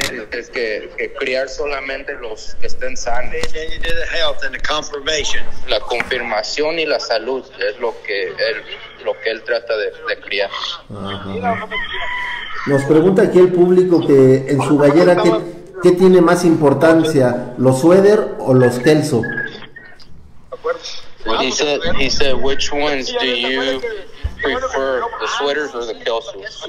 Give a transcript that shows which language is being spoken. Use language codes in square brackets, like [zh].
[es] Es que criar solamente los que estén sanos. [en] Then you do the health and the confirmation. [es] La confirmación y la salud es lo que él trata de criar. Ajá. Nos pregunta aquí el público que en su gallera qué tiene más importancia, los Sweater o los Kelso. [en] He said which ones do you prefer, the Sweaters or the Kelsos?